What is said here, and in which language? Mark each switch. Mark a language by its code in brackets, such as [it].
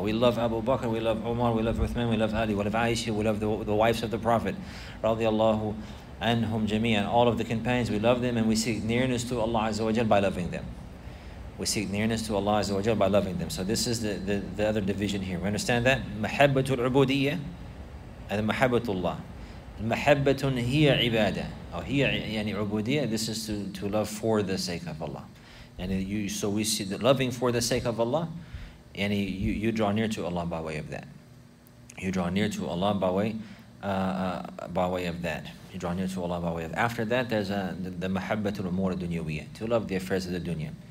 [en] We love Abu Bakr, we love Umar, we love Uthman, we love Ali, we love Aisha, we love the wives of the Prophet radiallahu anhum jami'an, all of the companions, we love them, and we seek nearness to Allah Azza wa Jal by loving them. We seek nearness to Allah Azza wa Jal by loving them. So this is the other division here. We understand that? Mahabbatul ubudiyyah and mahabbatullah. [ar] المحبة هي عبادة أو هي يعني عبودية. [en] This is to love for the sake of Allah. And so we see that loving for the sake of Allah, and you draw near to Allah by way of that. You draw near to Allah by way of that. You draw near to Allah by way of that. After that, there's the mahabbat al-umur al-dunyawiyya, to love the affairs of the dunya.